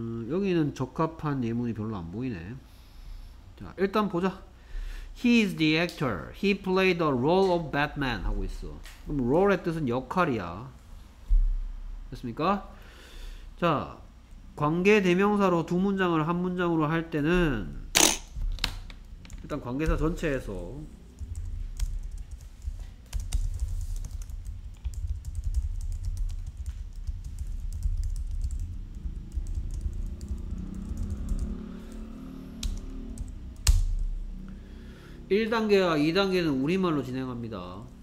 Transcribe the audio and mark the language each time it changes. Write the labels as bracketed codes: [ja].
[ko] 여기는 적합한 예문이 별로 안 보이네. 자, 일단 보자. [en] He is the actor. He played the role of Batman [ko] 하고 있어. 그럼 role의 뜻은 역할이야. 됐습니까? 자, 관계 대명사로 두 문장을 한 문장으로 할 때는 일단 관계사 전체에서 1단계와 2단계는 우리말로 진행합니다.